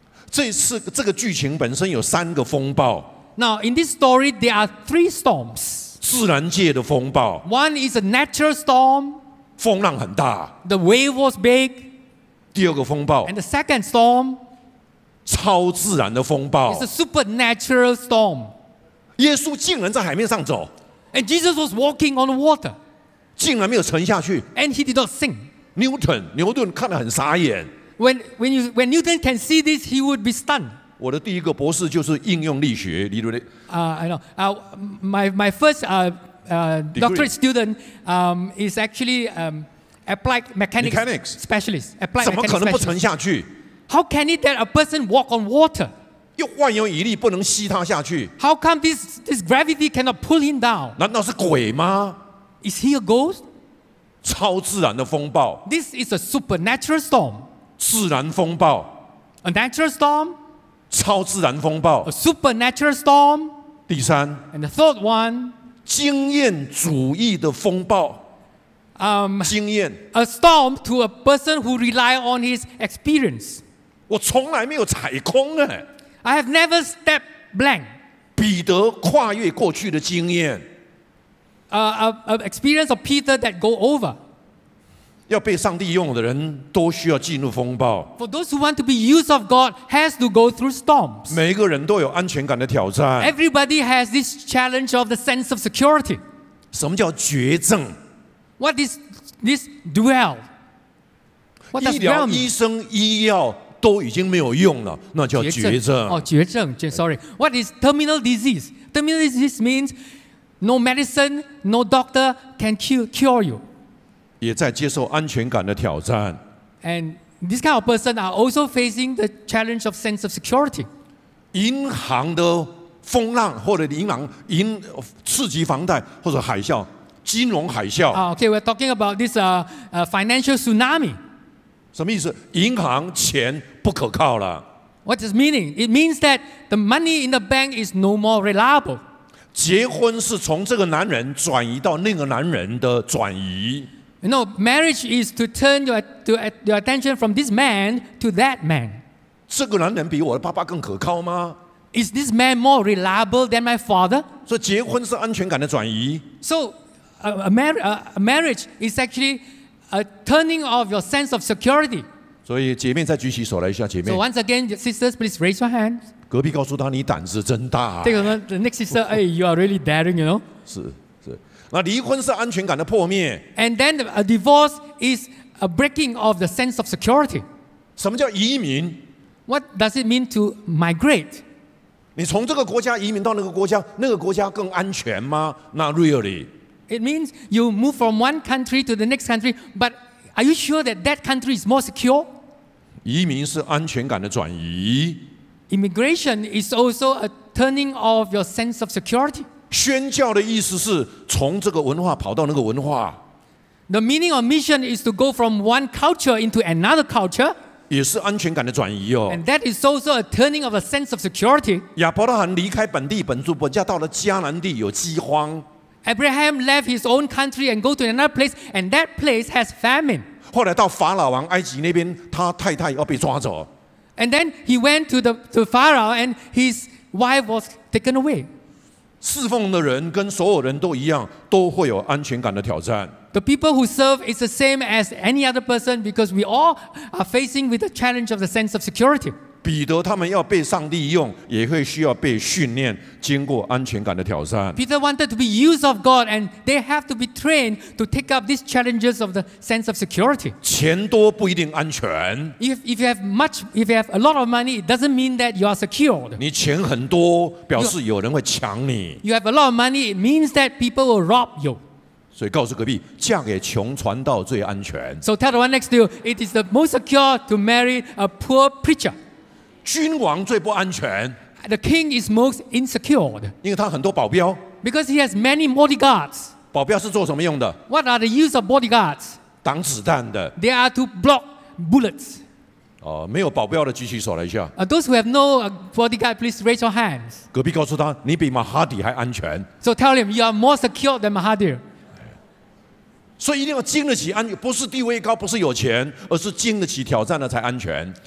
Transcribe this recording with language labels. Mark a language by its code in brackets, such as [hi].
[zh] 这次这个剧情本身有三个风暴。 [en] Now in this story, there are three storms. [zh] 自然界的风暴。 [en] One is a natural storm. [zh] 风浪很大。 [en] The wave was big. [zh] 第二个风暴。 [en] And the second storm. [zh] 超自然的风暴。 [en] It's a supernatural storm. [zh] 耶稣竟然在海面上走。 [en] And Jesus was walking on the water. [zh] 竟然没有沉下去。 [en] And he did not sink. [zh] 牛顿看得很傻眼。 [en] When Newton can see this, he would be stunned. [zh] 我的第一个博士就是应用力学理论。 [en] I know. My first doctorate student is actually applied mechanics specialist. Applied [zh] 怎么可能不沉下去 [en] ？How can it that a person walk on water? [zh] 又万有引力不能吸他下去 [en] ？How come this gravity cannot pull him down? [zh] 难道是鬼吗 [en] ？Is he a ghost? [zh] 超自然的风暴。 [en] This is a supernatural storm. [zh] 自然风暴。 [en] A natural storm. [zh] 超自然风暴。 [en] A supernatural storm. [zh] 第三。 [en] And the third one. [zh] 经验主义的风暴。经验。 [en] A storm to a person who rely on his experience. [zh] 我从来没有踩空哎。 [en] I have never stepped blank. [zh] 彼得跨越过去的经验。 [en] An experience of Peter that go over. [zh] 要被上帝用的人都需要进入风暴。 [en] For those who want to be used of God, has to go through storms. [zh] 每个人都有安全感的挑战。 [en] Everybody has this challenge of the sense of security. [zh] 什么叫绝症 [en] ？What is this dwell? What does dwell mean? [zh] 医疗医生医药都已经没有用了，那叫绝症。哦，绝症。 [en] Sorry, what is terminal disease? Terminal disease means no medicine, no doctor can cure you. [zh] 也在接受安全感的挑战。 [en] And this kind of person are also facing the challenge of sense of security. [zh] 银行的风浪或者银行刺激房贷或者海啸，金融海啸。 [en] Okay, we're talking about this financial tsunami. [zh] 什么意思？银行钱不可靠了。 [en] What is meaning? It means that the money in the bank is no more reliable. [zh] 结婚是从这个男人转移到那个男人的转移。 [en] You know, marriage is to turn your attention from this man to that man. [zh] 这个男人比我的爸爸更可靠吗？ [en] Is this man more reliable than my father? [zh] 所以结婚是安全感的转移。 [en] So, a marriage is actually. A turning of your sense of security. [zh] 所以姐妹再举起手来一下，姐妹。 [en] So once again, sisters, please raise your hands. [zh] 隔壁告诉她你胆子真大。这个呢 [en] ，the next sister, hey, you are really daring, you know? [zh] 是。那离婚是安全感的破灭。 [en] And then a divorce is a breaking of the sense of security. [zh] 什么叫移民 [en] ？What does it mean to migrate? [zh] 你从这个国家移民到那个国家，那个国家更安全吗 ？ [en] Not really. It means you move from one country to the next country, but are you sure that that country is more secure? [zh] 移民是安全感的转移。 [en] Immigration is also a turning of your sense of security. [zh] 宣教的意思是从这个文化跑到那个文化。 [en] The meaning of mission is to go from one culture into another culture. [zh] 也是安全感的转移哦。 [en] And that is also a turning of a sense of security. [zh] 亚伯拉罕离开本地本族本家，到了迦南地有饥荒。 [en] Abraham left his own country and go to another place, and that place has famine. [zh] 后来到法老王埃及那边，他太太要被抓走。 [en] And then he went to the Pharaoh, and his wife was taken away. [zh] 侍奉的人跟所有人都一样，都会有安全感的挑战。 [en] The people who serve is the same as any other person because we all are facing with the challenge of the sense of security. [zh] 彼得他们要被上帝用，也会需要被训练，经过安全感的挑战。 [en] Peter wanted to be used of God, and they have to be trained to take up these challenges of the sense of security. [zh] 钱多不一定安全。 [en] If you have a lot of money, it doesn't mean that you are secured. [zh] 你钱很多，表示有人会抢你。 [en] You have a lot of money, it means that people will rob you. [zh] 所以告诉隔壁，嫁给穷传道最安全。 [en] So tell the one next to you, it is the most secure to marry a poor preacher. [zh] 君王最不安全。 [en] The king is most insecure. [zh] 因为他很多保镖。 [en] Because he has many bodyguards. [zh] 保镖是做什么用的 [en] ？What are the use of bodyguards? [zh] 挡子弹的。 [en] They are to block bullets. [zh] 哦，没有保镖的举起手来一下。 [en] Those who have no bodyguard, please raise your hands. [zh] 隔壁告诉他，你比马哈迪还安全。 [en] So tell him you are more secure than Mahathir. [zh] 所以一定要经得起安全，不是地位高，不是有钱，而是经得起挑战的才安全。